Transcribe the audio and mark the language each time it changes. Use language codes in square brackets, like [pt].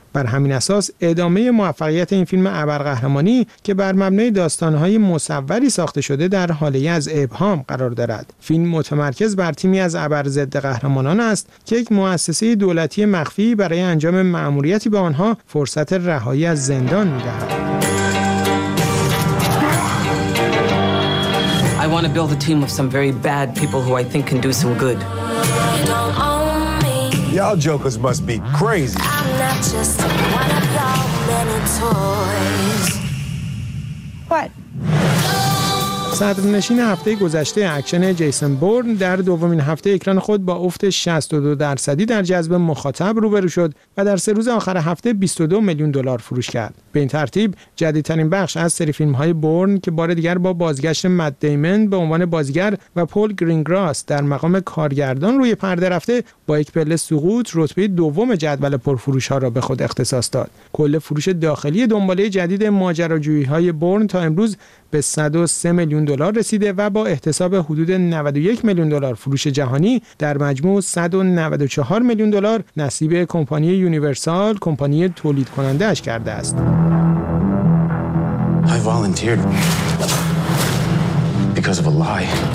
[fa] بر همین اساس ادامه موفقیت این فیلم ابرقهرمانی که بر مبنای داستان‌های مصوری ساخته شده در حاله ای از ابهام قرار دارد. فیلم متمرکز بر تیمی از ابر ضد قهرمانان است که یک مؤسسه دولتی مخفی برای انجام مأموریتی به آنها فرصت رهایی از زندان می‌دهد. [en] I want to build a team of some very bad people who I think can do some good. Y'all jokers must be crazy. I'm not just one of y'all many toys. What? [fa] صدرنشین هفته گذشته اکشن جیسون بورن در دومین هفته اکران خود با افت 62% در جذب مخاطب روبرو شد و در سه روز آخر هفته 22 میلیون دلار فروش کرد. به این ترتیب جدیدترین بخش از سری فیلم‌های بورن که بار دیگر با بازگشت مت دیمن به عنوان بازیگر و پول گرینگراس در مقام کارگردان روی پرده رفته با یک پله سقوط رتبه دوم جدول پرفروش‌ها را به خود اختصاص داد. کل فروش داخلی دنباله جدید ماجراجویی‌های بورن تا امروز به 103 میلیون دلار رسیده و با احتساب حدود 91 میلیون دلار فروش جهانی در مجموع 194 میلیون دلار نصیب کمپانی یونیورسال، کمپانی تولید کننده اش کرده است. [en] I volunteered because of a lie.